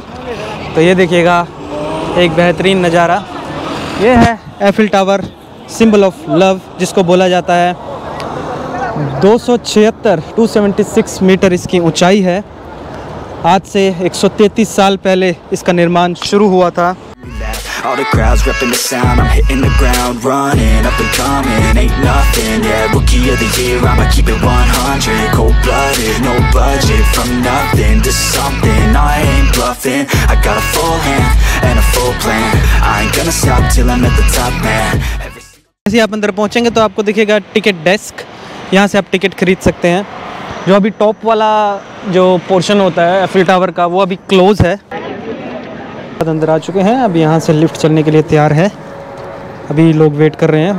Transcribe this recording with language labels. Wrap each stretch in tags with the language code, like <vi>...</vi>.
<hi>तो ये देखिएगा एक बेहतरीन नज़ारा। ये है Eiffel tower, symbol of love जिसको बोला जाता है। 276 मीटर इसकी ऊंचाई है। आज से 133 साल पहले इसका निर्माण शुरू हुआ था।</hi> <en>All the crowds repping the sound, I'm hitting the ground running, up and coming, ain't nothing, yeah, rookie of the year, I'ma keep it 100, cold-blooded, no budget, from nothing to something, I ain't bluffing, I got a full hand, and a full plan, I ain't gonna stop till I'm at the top, man.</en> <hi>जैसे आप अंदर पहुंचेंगे तो आपको दिखेगा ticket desk, यहां से आप टिकट खरीद सकते हैं। जो अभी टॉप वाला जो पोर्शन होता है एफिल टावर का, वो अभी क्लोज है। अंदर आ चुके हैं, अब यहाँ से लिफ्ट चलने के लिए तैयार है, अभी लोग वेट कर रहे हैं।</hi>